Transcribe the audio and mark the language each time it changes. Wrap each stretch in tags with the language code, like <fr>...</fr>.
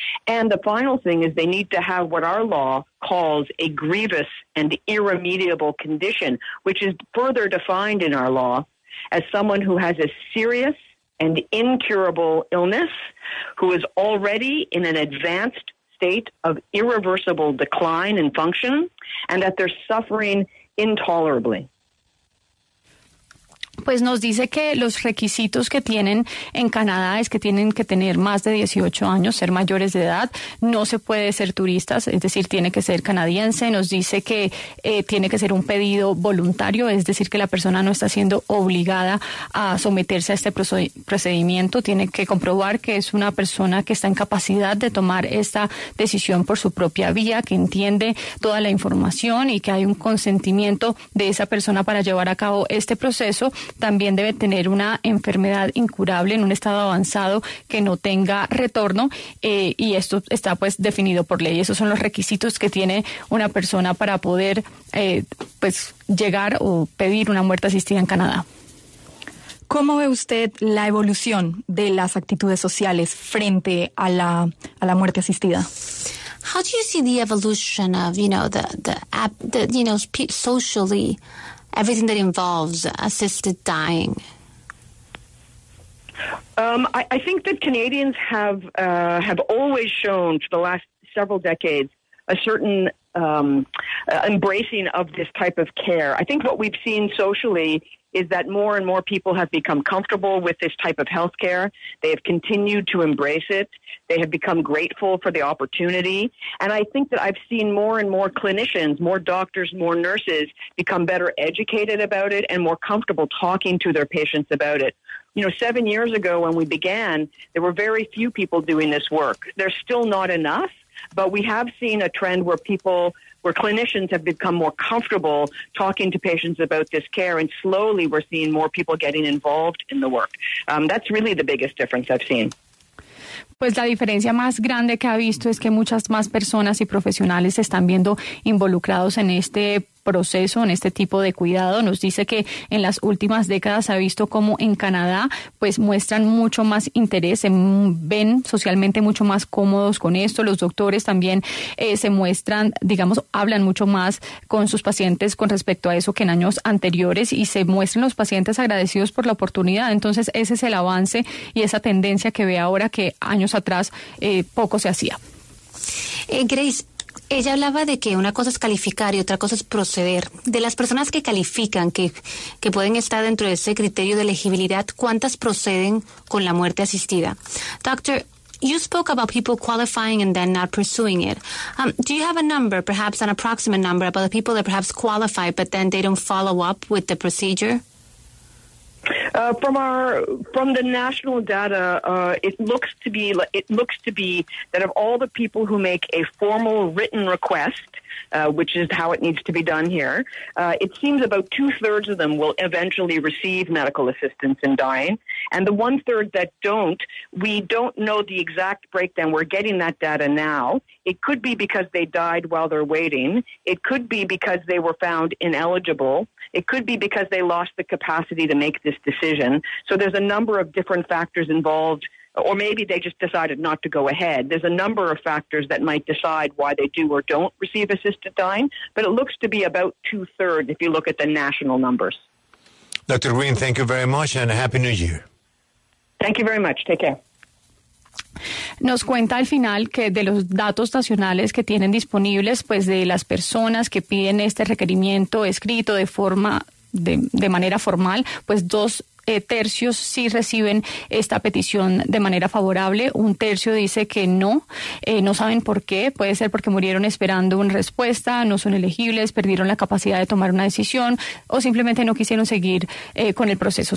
<en>And the final thing is they need to have what our law calls a grievous and irremediable condition, which is further defined in our law as someone who has a serious and incurable illness, who is already in an advanced state of irreversible decline in function, and that they're suffering intolerably.</en> <es>pues nos dice que los requisitos que tienen en Canadá es que tienen que tener más de 18 años, ser mayores de edad, no se puede ser turistas, es decir, tiene que ser canadiense. Nos dice que tiene que ser un pedido voluntario, es decir, que la persona no está siendo obligada a someterse a este procedimiento, tiene que comprobar que es una persona que está en capacidad de tomar esta decisión por su propia vía, que entiende toda la información y que hay un consentimiento de esa persona para llevar a cabo este proceso. También debe tener una enfermedad incurable en un estado avanzado que no tenga retorno, y esto está pues definido por ley. Esos son los requisitos que tiene una persona para poder pues llegar o pedir una muerte asistida en Canadá. ¿Cómo ve usted la evolución de las actitudes sociales frente a la muerte asistida?</es> <en>How do you see the evolution of, you know, the you know, socially, everything that involves assisted dying? I think that Canadians have always shown for the last several decades a certain embracing of this type of care. I think what we've seen socially is that more and more people have become comfortable with this type of health care. They have continued to embrace it. They have become grateful for the opportunity. And I think that I've seen more and more clinicians, more doctors, more nurses become better educated about it and more comfortable talking to their patients about it. You know, 7 years ago when we began, there were very few people doing this work. There's still not enough, but we have seen a trend where people, where clinicians have become more comfortable talking to patients about this care, and slowly we're seeing more people getting involved in the work. That's really the biggest difference I've seen.</en> <es>Pues la diferencia más grande que ha visto es que muchas más personas y profesionales se están viendo involucrados en este proceso, en este tipo de cuidado. Nos dice que en las últimas décadas ha visto cómo en Canadá pues muestran mucho más interés, se ven socialmente mucho más cómodos con esto. Los doctores también se muestran, digamos, hablan mucho más con sus pacientes con respecto a eso que en años anteriores, y se muestran los pacientes agradecidos por la oportunidad. Entonces ese es el avance y esa tendencia que ve ahora que años atrás poco se hacía. Grace, ella hablaba de que una cosa es calificar y otra cosa es proceder. De las personas que califican, que pueden estar dentro de ese criterio de elegibilidad, ¿cuántas proceden con la muerte asistida?</es> <en>Doctor, you spoke about people qualifying and then not pursuing it. Do you have a number, perhaps an approximate number, about the people that perhaps qualify but then they don't follow up with the procedure? From the national data, it looks to be that of all the people who make a formal written request, which is how it needs to be done here, it seems about 2/3 of them will eventually receive medical assistance in dying. And the 1/3 that don't, we don't know the exact breakdown. We're getting that data now. It could be because they died while they're waiting. It could be because they were found ineligible. It could be because they lost the capacity to make this decision. So there's a number of different factors involved, or maybe they just decided not to go ahead. There's a number of factors that might decide why they do or don't receive assisted dying, but it looks to be about 2/3 if you look at the national numbers. Dr. Green, thank you very much and a happy new year. Thank you very much. Take care.</en> <es>Nos cuenta al final que de los datos nacionales que tienen disponibles, pues de las personas que piden este requerimiento escrito de forma, de manera formal, pues 2/3 sí reciben esta petición de manera favorable, 1/3 dice que no, no saben por qué, puede ser porque murieron esperando una respuesta, no son elegibles, perdieron la capacidad de tomar una decisión o simplemente no quisieron seguir con el proceso.</es>